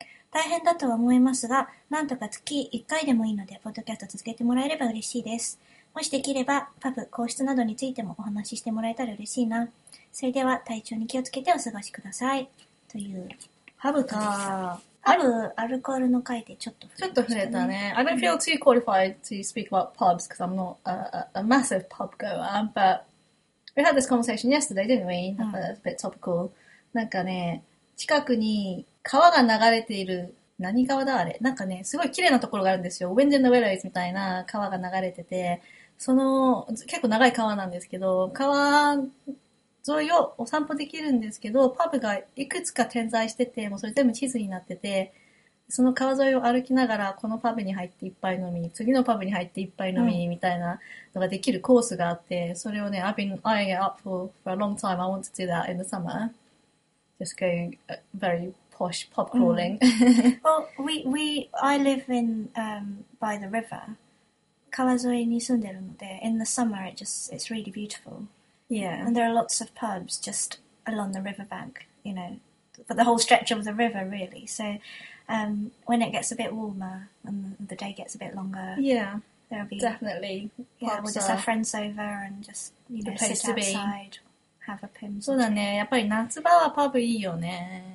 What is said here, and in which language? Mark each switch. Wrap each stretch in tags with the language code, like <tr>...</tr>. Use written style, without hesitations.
<ja>大変だとは思いますが、なんとか月1回でもいいのでポッドキャスト続けてもらえれば嬉しいです。もしできればパブ、皇室などについてもお話ししてもらえたら嬉しいな。それでは体調に気をつけてお過ごしください、というパブか。パブ、アルコールの回でちょっと触れたね。</ja> <en>I don't feel too qualified to speak about pubs because I'm not a massive pub goer, butWe had this conversation yesterday, didn't we? That's a bit topical.</en> <ja>なんかね、近くに川が流れている、何川だあれ、なんかね、すごい綺麗なところがあるんですよ。 Wind in the Willows みたいな川が流れてて、その結構長い川なんですけど、川沿いをお散歩できるんですけど、パブがいくつか点在してて、もうそれ全部地図になってて、その川沿いを歩きながら、このパブに入って一杯飲み、次のパブに入って一杯飲み、みたいなのができるコースがあって、うん、それをね、</ja> <en>I've been eyeing it up for a long time. I want to do that in the summer. Just go very posh pub crawling.、うん、well, I live in, by the river.</en> <ja>川沿いに住んでるので、</ja> <en>in the summer, it's really beautiful. Yeah. And there are lots of pubs just along the riverbank, you know, but the whole stretch of the river, really. So,when it gets a bit warmer and the day gets a bit longer, yeah, there'll be definitely. Yeah, we'll just have friends over and just, you know, sit outside, have a pint.</en> <ja>そうだね。やっぱり夏場はパブいいよね。</ja>